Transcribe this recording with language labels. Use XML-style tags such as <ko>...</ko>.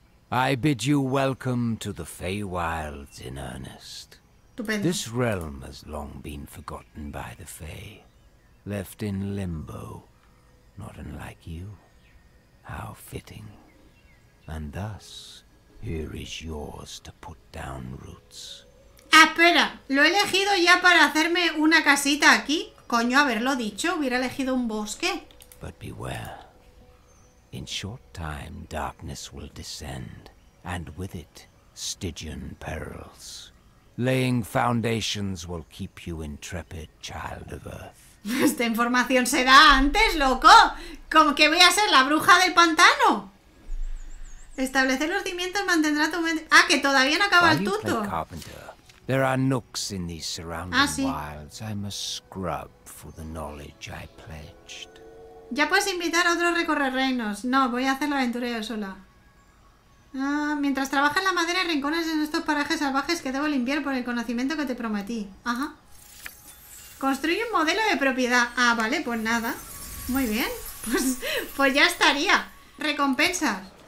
<en>I bid you welcome to the Feywilds in earnest.</en> <es>Estupendo.</es> <en>This realm has long been forgotten by the Fey, left in limbo, not unlike you. How fitting. And thus, here is yours to put down roots.</en> <es>Espera, ¿lo he elegido ya para hacerme una casita aquí? Coño, haberlo dicho, hubiera elegido un bosque.</es> <en>But beware. In short time, darkness will descend, and with it, Stygian perils. Laying foundations will keep you intrepid, child of Earth.</en> <es>Esta información se da antes, loco. ¿Cómo que voy a ser la bruja del pantano? Establecer los cimientos mantendrá tu mente. Ah, que todavía no acaba el tuto.</es> <en>There are nooks in these surrounding wilds. I must scrub for the knowledge I pledged.</en> <es>Ya puedes invitar a otro a recorrer reinos. No, voy a hacer la aventura yo sola. Ah, mientras trabaja en la madera hay rincones en estos parajes salvajes que debo limpiar por el conocimiento que te prometí. Ajá. Construye un modelo de propiedad. Ah, vale, pues nada. Muy bien. Pues ya estaría. Recompensas.</es>